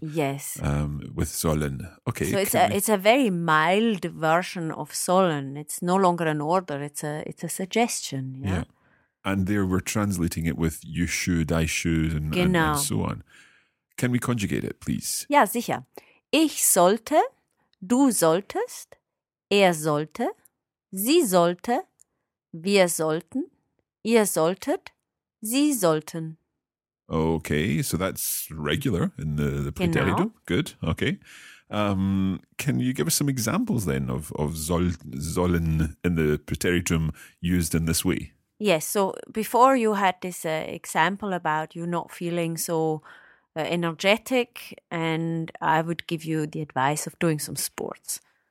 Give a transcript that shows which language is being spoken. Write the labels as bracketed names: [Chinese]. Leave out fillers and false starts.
[English] Yes. With sollen. Okay. So it's a very mild version of sollen. It's no longer an order. It's a suggestion. Yeah. And there we're translating it with you should, I should, and, genau. And so on. Can we conjugate it, please? [German] Ja, sicher. Ich sollte, du solltest, er sollte, sie sollte, wir sollten. Ihr solltet, sie sollten. [English] Okay, so that's regular in the preterito. Good, okay. Can you give us some examples then of sollen in the preteritum used in this way? Yes, so before you had this example about you not feeling so energetic, and I would give you the advice of doing some sports.